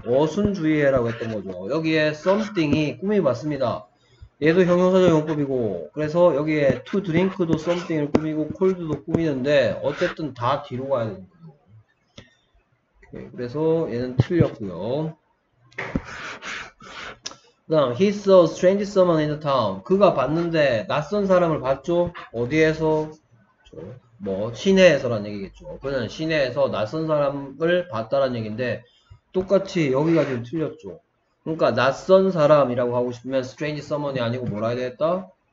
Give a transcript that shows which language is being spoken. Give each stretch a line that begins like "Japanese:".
Korean: 어순 주의해라고 했던 거죠. 여기에 something이 꾸미 맞습니다. 얘도 형용사적 용법이고 그래서 여기에
English: to drink
Korean: 도 something을 꾸미고 cold도 꾸미는데 어쨌든 다 뒤로 가야 됩니다. 네, 그래서 얘는 틀렸고요.
English: He saw a strange someone in the town.
Korean: 그가 봤는데 낯선 사람을 봤죠? 어디에서? 뭐 시내에서란 얘기겠죠. 그는 시내에서 낯선 사람을 봤다란 얘기인데 똑같이 여기가 좀 틀렸죠. 그러니까 낯선 사람이라고 하고 싶으면
English: strange someone
Korean: 이 아니고 뭐라 해야 되겠다?